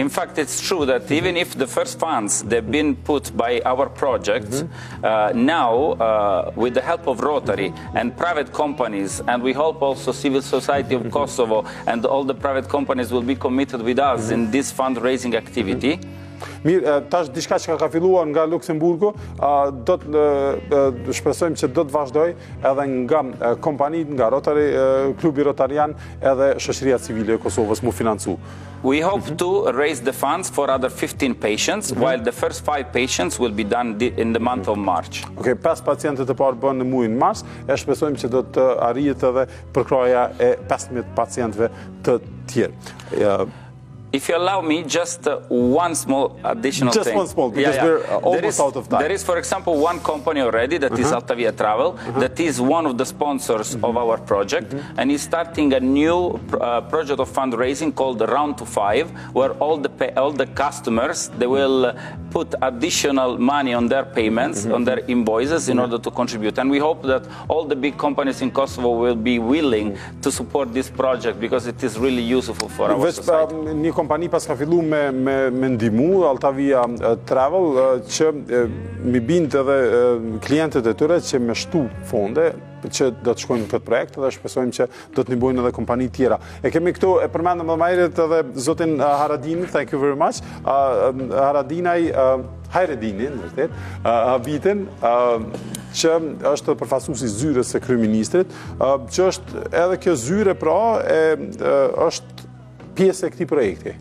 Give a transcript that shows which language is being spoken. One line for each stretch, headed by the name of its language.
English: In fact, it's true that even if the first funds they've been put by our project, now with the help of Rotary and private companies, and we hope also civil society of Kosovo and all the private companies will be committed with us in this fundraising activity.
Albanian: Mirë, tash diçka që ka filluar nga Luksemburgu, do të shpresojmë që do të vazhdoj edhe nga kompanitë, nga Rotary, klubi Rotarian, edhe shoqëria civile e Kosovës mu financu.
English: We hope to raise the funds for other 15 patients, while the first 5 patients will be done in the month of March.
Albanian: Okay, 5 pacientët të parë bën në muajin mars, e shpresojmë që do të arrijet edhe përkraja e 15 pacientëve të tjerë.
English: If you allow me, just one small additional just thing. Just one small, because we're almost out of time. There is, for example, one company already, that is Altavia Travel, that is one of the sponsors of our project, and is starting a new project of fundraising called Round to Five, where all the customers, they will put additional money on their payments, on their invoices, in order to contribute. And we hope that all the big companies in Kosovo will be willing to support this project, because it is really useful for our society.
Albanian: Një kompani pas ka fillu me ndimu, Altavia Travel, që mi bindë edhe klientet e tyre që me shtu fonde, që do të shkojnë në këtë projekt dhe shpesojmë që do të ndihmojnë edhe kompani tjera. E kemi këtu, e përmendëm më herët edhe zotin Haradini,
English: thank you very much,
Albanian: Haradinaj, Hajredini, në vërtet, Habitin, që është përfaqësuesi i zyrës së kryeministrit, që është edhe kjo zyre pra, është pjesë e këtij projekti.